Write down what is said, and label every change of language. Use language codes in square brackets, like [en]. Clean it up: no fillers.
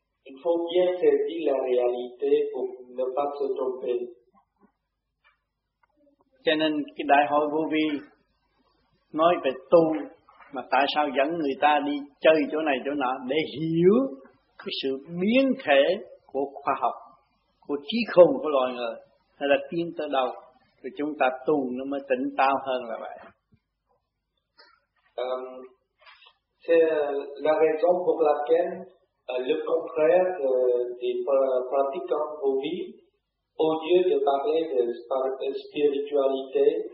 [fr] Il faut bien saisir la réalité pour ne pas se tromper. [vi] Cho nên cái đại hội vô vi nói về tu. Mà tại sao dẫn người ta đi chơi chỗ này chỗ nọ để hiểu cái sự biến thể của khoa học, của trí khôn của loài người, hay là tiến tới đâu, thì chúng ta tu nó mới tỉnh táo hơn là vậy. [fr] C'est la raison pour laquelle le contraire des pratiquants au vie, au lieu de parler de spiritualité,